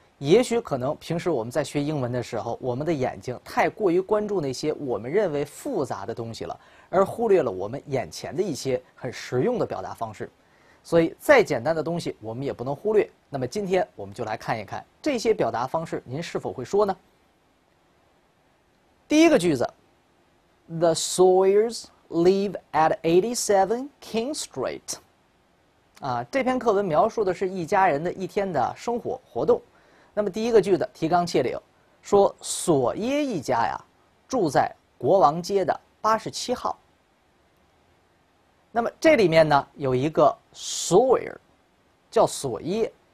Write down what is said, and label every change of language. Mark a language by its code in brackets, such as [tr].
[zh] 也许可能平时我们在学英文的时候，我们的眼睛太过于关注那些我们认为复杂的东西了，而忽略了我们眼前的一些很实用的表达方式。所以再简单的东西我们也不能忽略。那么今天我们就来看一看这些表达方式您是否会说呢？第一个句子， [en] The Sawyers live at 87 King Street。 [zh] 啊，这篇课文描述的是一家人的一天的生活活动。那么第一个句子提纲挈领，说索耶一家呀住在国王街的87号。那么这里面呢有一个 Sawyer， 叫索耶。